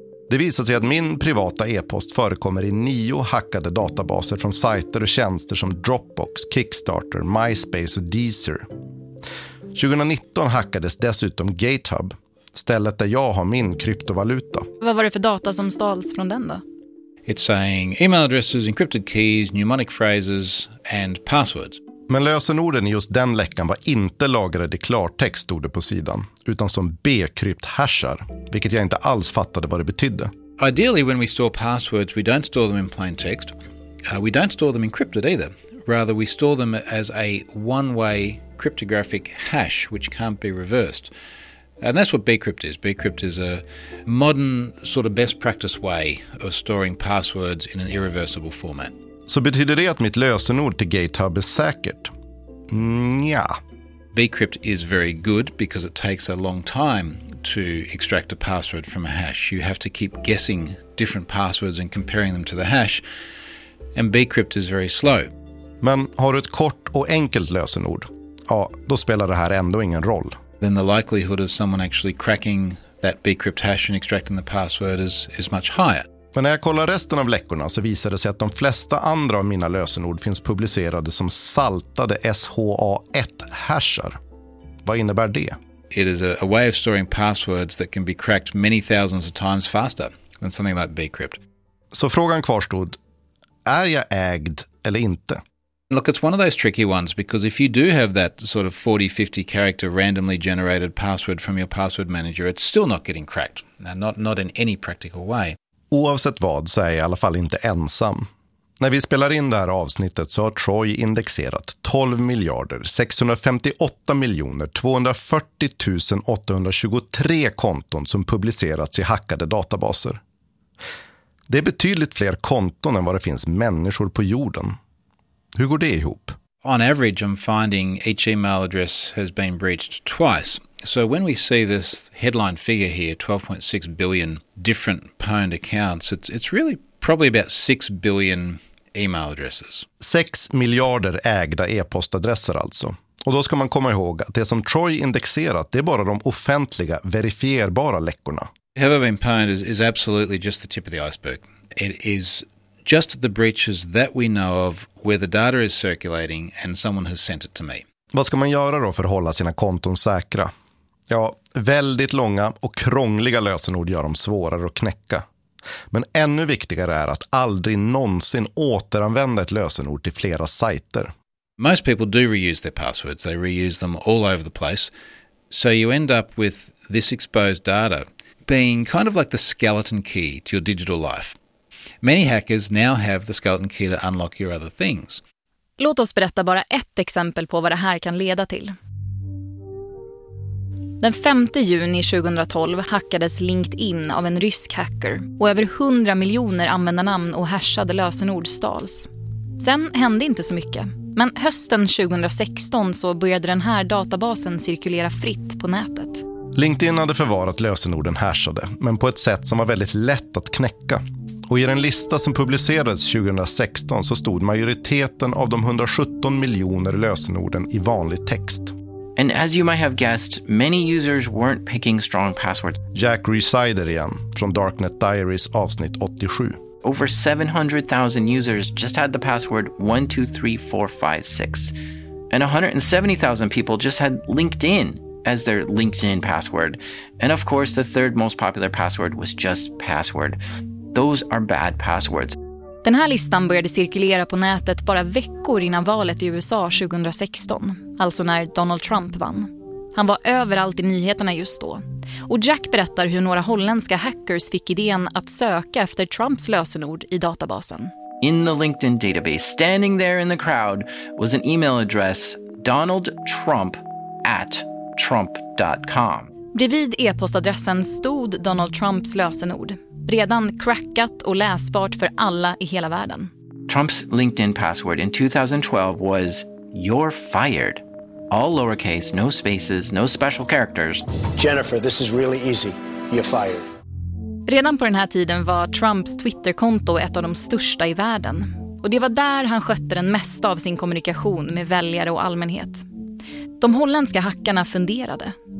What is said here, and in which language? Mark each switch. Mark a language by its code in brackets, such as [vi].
[sv] Det visar sig att min privata e-post förekommer i 9 hackade databaser från sajter och tjänster som Dropbox, Kickstarter, MySpace och Deezer. 2019 hackades dessutom GitHub, stället där jag har min kryptovaluta. Vad var det för data som stals från den då? [en] It's saying email addresses, encrypted keys, mnemonic phrases and passwords. [sv] Men lösenorden i just den läckan var inte lagrade i klartext, stod det på sidan, utan som B-krypt-hashar, vilket jag inte alls fattade vad det betydde. [en] Ideally when we store passwords, we don't store them in plain text. We don't store them encrypted either. Rather we store them as a one-way cryptographic hash which can't be reversed. And that's what B-crypt is. B-crypt is a modern sort of best practice way of storing passwords in an irreversible format. [sv] Så betyder det att mitt lösenord till GitHub är säkert? Nja. [en] Bcrypt is very good because it takes a long time to extract a password from a hash. You have to keep guessing different passwords and comparing them to the hash. And Bcrypt is very slow. [sv] Men har du ett kort och enkelt lösenord? Ja, då spelar det här ändå ingen roll. [en] Then the likelihood of someone actually cracking that Bcrypt hash and extracting the password is much higher. [sv] Men när jag kollar resten av läckorna så visar det sig att de flesta andra av mina lösenord finns publicerade som saltade SHA-1-hashar. Vad innebär det? [en] It is a way of storing passwords that can be cracked many thousands of times faster than something like Bcrypt. [sv] Så frågan kvarstod, är jag ägd eller inte? [en] Look, it's one of those tricky ones because if you do have that sort of 40-50 character randomly generated password from your password manager, it's still not getting cracked. Now, not in any practical way. [sv] Oavsett vad så är jag i alla fall inte ensam. När vi spelar in det här avsnittet så har Troy indexerat 12 miljarder 658 miljoner 240.823 konton som publicerats i hackade databaser. Det är betydligt fler konton än vad det finns människor på jorden. Hur går det ihop? [en] On average I'm finding each email address has been breached twice. So when we see this headline figure here, 12.6 billion different pwned accounts, it's really probably about 6 billion email addresses. [sv] 6 miljarder ägda e-postadresser alltså. Och då ska man komma ihåg att det som Troy indexerat, det är bara de offentliga, verifierbara läckorna. [en] Have I been pwned is absolutely just the tip of the iceberg. It is just the breaches that we know of where the data is circulating and someone has sent it to me. [sv] Vad ska man göra då för att hålla sina konton säkra? Ja, väldigt långa och krångliga lösenord gör dem svårare att knäcka. Men ännu viktigare är att aldrig någonsin återanvända ett lösenord till flera sajter. [en] Most people do reuse their passwords. They reuse them all over the place. So you end up with this exposed data being kind of like the skeleton key to your digital life. Many hackers now have the skeleton key to unlock your other things. [sv] Låt oss berätta bara ett exempel på vad det här kan leda till. Den 5 juni 2012 hackades LinkedIn av en rysk hacker och över 100 miljoner användarnamn och hashade lösenord stals. Sen hände inte så mycket, men hösten 2016 så började den här databasen cirkulera fritt på nätet. LinkedIn hade förvarat lösenorden hashade, men på ett sätt som var väldigt lätt att knäcka. Och i den lista som publicerades 2016 så stod majoriteten av de 117 miljoner lösenorden i vanlig text. [en] And as you might have guessed, many users weren't picking strong passwords. [sv] Jack Resider igen, från Darknet Diaries avsnitt 87. [en] Over 700,000 users just had the password 123456. And 170,000 people just had LinkedIn as their LinkedIn password. And of course, the third most popular password was just password. Those are bad passwords. [sv] Den här listan började cirkulera på nätet bara veckor innan valet i USA 2016, alltså när Donald Trump vann. Han var överallt i nyheterna just då. Och Jack berättar hur några holländska hackers fick idén att söka efter Trumps lösenord i databasen. [en] In the LinkedIn database, standing there in the crowd, was an email address donaldtrump@trump.com. [sv] Bredvid e-postadressen stod Donald Trumps lösenord, redan crackat och läsbart för alla i hela världen. [en] Trump's LinkedIn password in 2012 was "You're fired." All lowercase, no spaces, no special characters. Jennifer, this is really easy. You're fired. [sv] Redan på den här tiden var Trumps Twitterkonto ett av de största i världen. Och det var där han skötte den mesta av sin kommunikation med väljare och allmänhet. De holländska hackarna funderade.